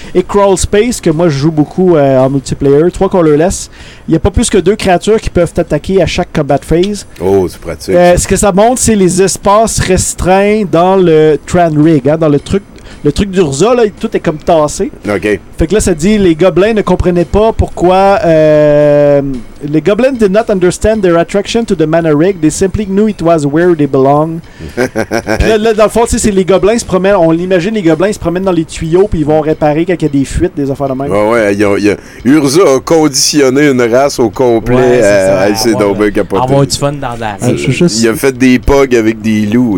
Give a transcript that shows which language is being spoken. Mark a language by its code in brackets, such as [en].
[fr] Et Crawl Space, que moi, je joue beaucoup en multiplayer. 3 colorless. Il n'y a pas plus que 2 créatures qui peuvent t'attaquer à chaque combat phase. Oh, c'est pratique. Ce que ça montre, c'est les espaces restreints dans le Tran Rig, hein, dans le truc. Le truc d'Urza, là, tout est comme tassé. OK. Fait que là, ça dit, les gobelins ne comprenaient pas pourquoi... les gobelins [en] did not understand their attraction to the mana rig. They simply knew it was where they belong. [fr] Puis là, dans le fond, c'est les gobelins se promènent... On l'imagine, les gobelins se promènent dans les tuyaux puis ils vont réparer quand il y a des fuites, des affaires de même. Ouais, Urza a conditionné une race au complet. Ouais, c'est ça. Elle s'est donc du fun dans la... Il a fait des pogs avec des loups.